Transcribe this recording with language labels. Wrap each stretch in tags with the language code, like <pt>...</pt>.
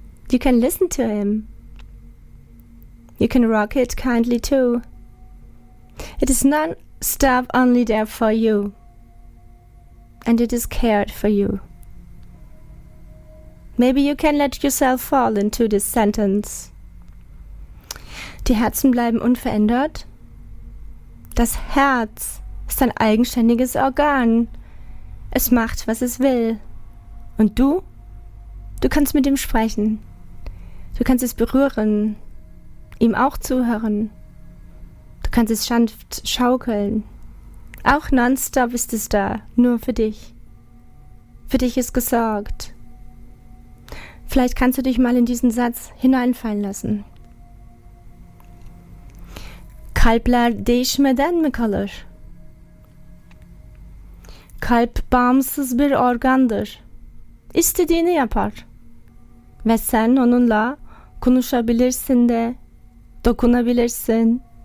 <en>You can listen to him. You can rock it kindly too. It is non-stop only there for you. And it is cared for you. Maybe you can let yourself fall into this sentence.</en> <de>Die Herzen bleiben unverändert. Das Herz ist ein eigenständiges Organ. Es macht, was es will. Und du? Du kannst mit ihm sprechen. Du kannst es berühren. Ihm auch zuhören. Du kannst es sanft schaukeln. Auch nonstop ist es da, nur für dich. Für dich ist gesorgt. Vielleicht kannst du dich mal in diesen Satz hineinfallen lassen.</de> <tr>Kalplar değişmeden mi kalır? Kalp bağımsız bir organdır. İstediğini yapar. Ve sen onunla konuşabilirsin de, dokunabilirsin.</tr>